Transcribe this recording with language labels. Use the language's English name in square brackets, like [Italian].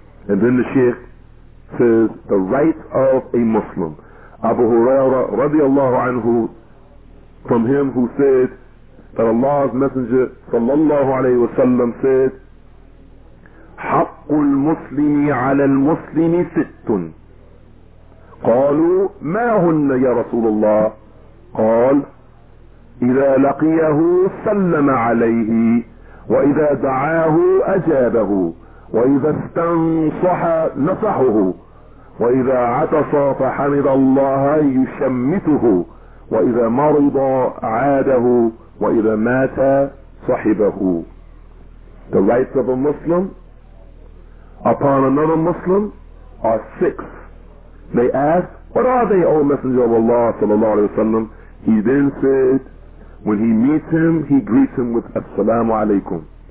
[English] And then the Shaykh says, the right of a Muslim. Abu Hurairah radiallahu anhu, from him who said that Allah's Messenger sallallahu alayhi wasallam said, [Arabic] حق المسلم على المسلم ست. قالوا ما هن يا رسول الله؟ قال إذا لقيه سلم عليه, وإذا دعاه أجابه, وإذا استنصح نصحه, وإذا عطس فحمد الله يشمته, وإذا مرض عاده, وإذا مات صحبه. [English] The rights of a Muslim upon another Muslim are six. They ask, what are they, O Messenger of Allah sallallahu alayhi wa sallam? He then said, when he meets him, he greets him with Assalamu alaikum.